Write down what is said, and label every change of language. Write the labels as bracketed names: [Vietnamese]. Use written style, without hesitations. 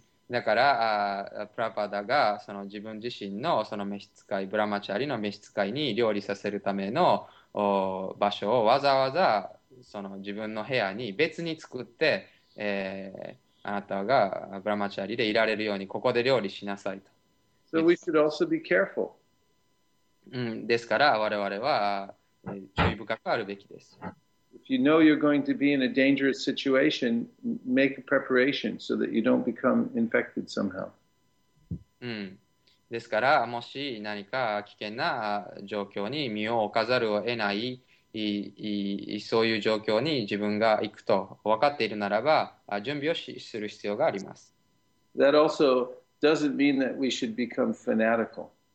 [Japanese] だから、プラパダがその自分自身のその召使い、ブラマチャリの召使いに料理させるための、場所をわざわざその自分の部屋に別に作って、あなたがブラマチャリでいられるようにここで料理しなさいと [English] So we should also be careful. [Japanese] ですから、我々は、注意深くあるべきです。 [English] If you know you're going to be in a dangerous situation, make a preparation so that you don't become infected somehow. [Japanese] ですから、もし何か危険な状況に身を置かざるを得ない、そういう状況に自分が行くと分かっているならば、準備をする必要があります。 [English] That also doesn't mean that we should become fanatical.